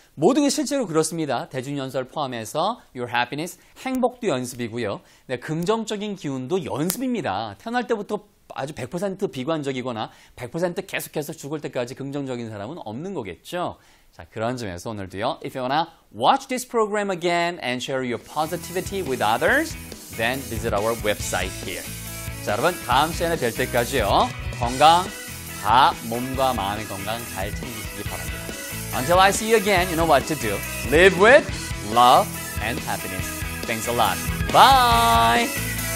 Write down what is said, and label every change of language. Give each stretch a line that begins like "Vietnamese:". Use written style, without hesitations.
Korean: 모든 게 실제로 그렇습니다. 대중연설 포함해서
English: your happiness,
Korean: 행복도 연습이고요. 네, 긍정적인 기운도 연습입니다. 태어날 때부터 아주 100% 비관적이거나 100% 계속해서 죽을 때까지 긍정적인 사람은 없는 거겠죠. 자, 그런 점에서 오늘도요.
English: If you wanna watch this program again and share your positivity with others, then visit our website here.
Korean: 자, 여러분 다음 시간에 뵐 때까지요. 건강, 다 몸과 마음의 건강 잘 챙기시기 바랍니다.
English: Until I see you again, you know what to do. Live with love and happiness. Thanks a lot. Bye!